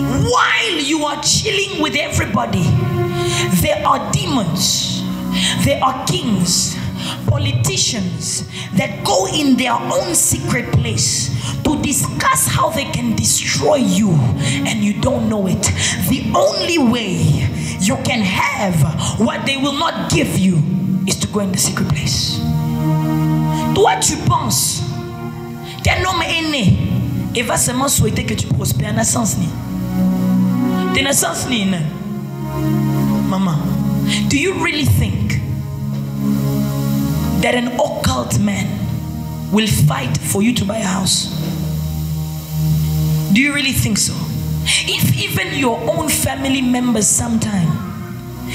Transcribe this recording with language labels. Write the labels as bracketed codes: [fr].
[en] While you are chilling with everybody, there are demons, there are kings, politicians that go in their own secret place to discuss how they can destroy you, and you don't know it. The only way you can have what they will not give you is to go in the secret place. [fr] Toi, tu penses qu'un homme est né et va seulement souhaiter que tu prospères en naissance ni. [en] Mama, do you really think that an occult man will fight for you to buy a house? Do you really think so? If even your own family members sometime